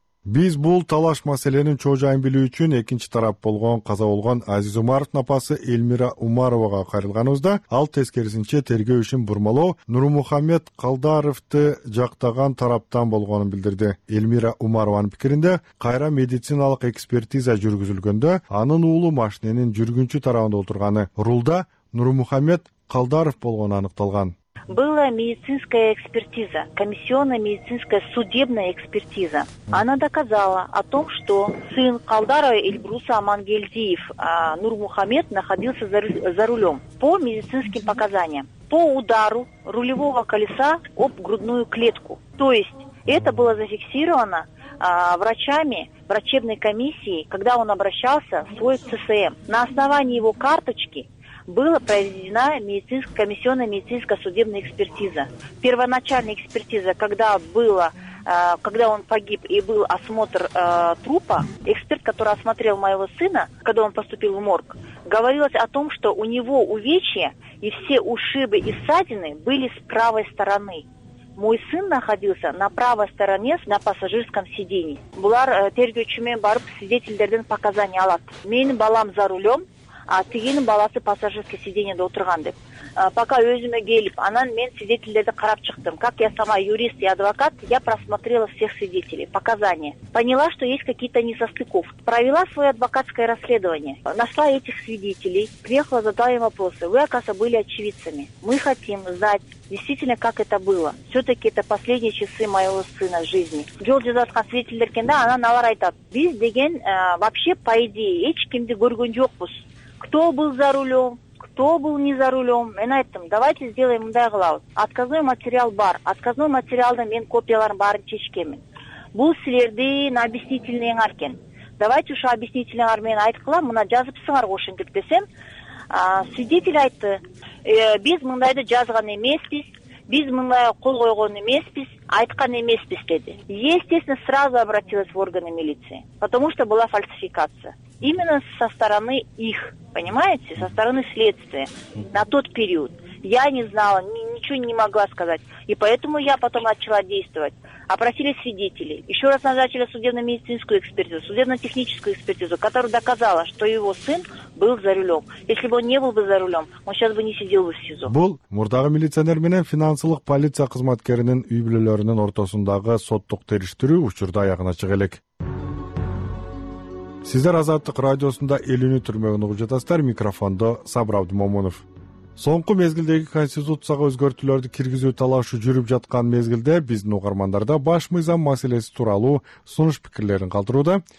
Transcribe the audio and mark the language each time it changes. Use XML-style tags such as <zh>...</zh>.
<ky>Биз бул талаш маселенин чоожайын билүү үчүн экинчи тарап болгон каза болгон Азиз Умаровдун апасы Элмира Умаровага кайрылганыбызда ал тескерисинче тергөө ишин бурмалоо Нурмухамед Калдаровду жактаган тараптан болгонун билдирди. Элмира Умарованын пикиринде кайра медициналык экспертиза жүргүзүлгөндө анын уулу машиненин жүргүнчү тарабында отурганы рулда Нурмухамед Калдаров болгону аныкталган.</ky> <ru>Была медицинская экспертиза, комиссионная медицинская судебная экспертиза. Она доказала о том, что сын Калдарова Эльбруса Амангельдиев, Нурмухамед, находился за рулем по медицинским показаниям. По удару рулевого колеса об грудную клетку. То есть это было зафиксировано врачами врачебной комиссии, когда он обращался в свой ЦСМ. На основании его карточки была проведена комиссионно-медицинская судебная экспертиза. Первоначальная экспертиза, когда он погиб и был осмотр трупа, эксперт, который осмотрел моего сына, когда он поступил в морг, говорилось о том, что у него увечья и все ушибы и ссадины были с правой стороны. Мой сын находился на правой стороне на пассажирском сиденье.</ru> <ky>Булар тергөөчү менен барып свидетелдерден показания алат. Менин балам</ky> <ru>за рулем,</ru> <ky>а тигинин баласы пассажирский сиденьеде отурган деп. Пока өзүмө келип, анан мен свидетелдерди карап чыктым.</ky> <ru>Как я сама юрист и адвокат, я просмотрела всех свидетелей, показания. Поняла, что есть какие-то несостыковки. Провела свое адвокатское расследование. Нашла этих свидетелей, приехала, задала им вопросы. Вы, оказывается, были очевидцами. Мы хотим знать, действительно, как это было. Все-таки это последние часы моего сына жизни.</ru> <ky>Жолдизатка свидетелдеркен,</ky> <ru>да, она</ru> <ky>налар айтат. Биз деген,</ky> <ru>вообще, по идее,</ru> <ky>эч кимди көргөн жокпуз.</ky> <ru>Кто был за рулем, кто был не за рулем.</ru> <ky>Мен айттым,</ky> <ru>давайте сделаем</ru> <ky>мындай кылабыз. Отказной материал бар. Отказной материалдын мен копияларын барын чечкенмин. бул силердин объяснительниңар экен.</ky> <ru>Давайте</ru> <ky>ушу объяснительниңар менен айткыла, мына жазыпсыңар ошентип десем, свидетель айтты, биз мындайды жазган эмеспиз, биз мындай кол койгон эмеспиз, айткан эмеспиз деди.</ky> <ru>Естественно, сразу обратилась в органы милиции, потому что была фальсификация. Именно со стороны их, понимаете, со стороны следствия на тот период. Я не знала, ничего не могла сказать. И поэтому я потом начала действовать. Опросили свидетелей. Еще раз назначили судебно-медицинскую экспертизу, судебно-техническую экспертизу, которая доказала, что его сын был за рулем. Если бы он не был бы за рулем, он сейчас бы не сидел бы в СИЗО.</ru> <ky>Был мурдагы милиционер менен финансылык полиция кызматкеринин үй-бүлөлөрүнүн ортосундагы соттук териштирүү учурда аягына чыга элек. Сиздер Азаттык радиосунда элүүнү түрмөгүн угуп жатасыздар. Микрофондо Сабыр Абдымомунов. Соңку мезгилдеги конституцияга өзгөртүүлөрдү киргизүү талашы жүрүп жаткан мезгилде биздин угармандарда баш мыйзам маселеси тууралуу сунуш пикирлерин калтырууда.</ky>